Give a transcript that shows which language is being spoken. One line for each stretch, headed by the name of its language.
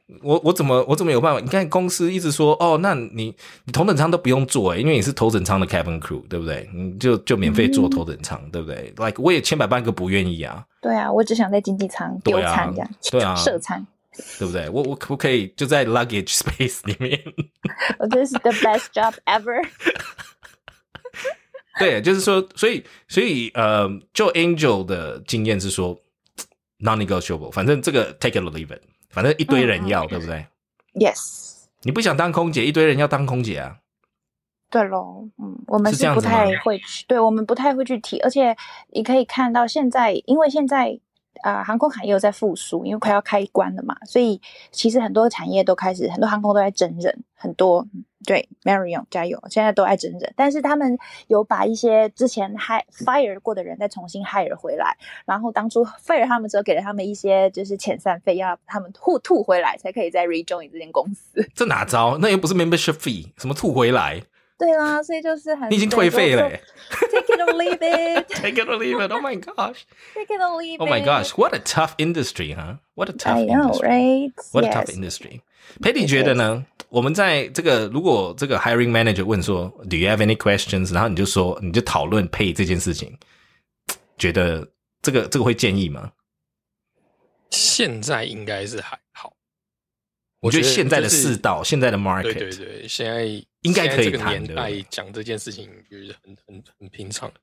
Chinese: 我怎么有办法？你看公司一直说哦，那你头等舱都不用坐，因为你是头等舱的 cabin crew, 对不对？你就免费坐头等舱、嗯，对不对 ？Like 我也千百般个不愿意啊。对啊，我只想在经济舱丢餐这样，对啊，设餐。对不对？我可不可以就在 luggage space 里面
English: ？This is the best job ever.
Chinese: 对，就是说，所以，就 Angel 的经验是说 non-negotiable， 反正这个
English: take it or leave it，
Chinese: 反正一堆人要， mm-hmm. 对不对
English: ？Yes.
Chinese: 你不想当空姐，一堆人要当空姐啊？对咯，嗯，我们是不太会去，对我们不太会去提，而且你可以看到现在，因为现在。航空行业又在复苏，因为快要开关了嘛，所以其实很多产业都开始，很多航空都在整人，很多对 Marion 加油，现在都在整人，但是他们有把一些之前 fire 过的人再重新 hire 回来，然后当初 fire 他们只有给了他们一些就是遣散费，要他们吐回来才可以再 rejoin 这间公司。这哪招？那又不是 membership fee， 什么吐回来？对啦，所以就是很你已经退费了。
English: Take it or leave it. Take it or leave it. Oh my gosh. Take it or leave it. Oh my gosh. What a tough industry, huh? What a tough industry. I know, right? What a tough industry.
Chinese: Patty 觉得呢，我们在这个如果这个 hiring manager 问说
English: Do you have any questions?
Chinese: 然后你就说你就讨论 pay 这件事情，觉得这个会建议吗？现在应该是还好。我觉得现在的世道、就是、现在的 market，对对对，现在应该可以谈的。现在这个年代讲这件事情就是很平常。